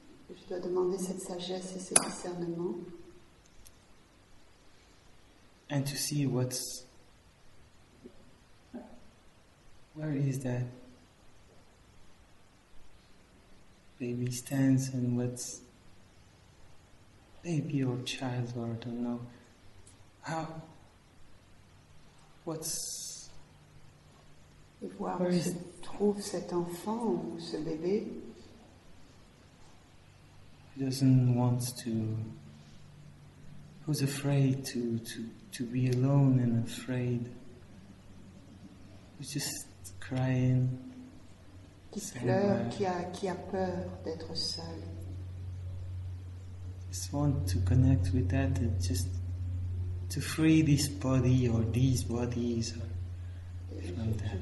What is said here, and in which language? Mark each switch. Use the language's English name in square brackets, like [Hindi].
[French] Je dois demander cette sagesse et ce discernement. [English] And to see what's, where is that baby stands and what's baby or child or I don't know how. What's, [French] et voir où se trouve cet enfant ou ce bébé. [English] Doesn't want to, who's afraid to be alone and afraid, who's just crying, [French] qui pleure, qui a peur d'être seul. [English] Just want to connect with that and just to free this body or these bodies or from that.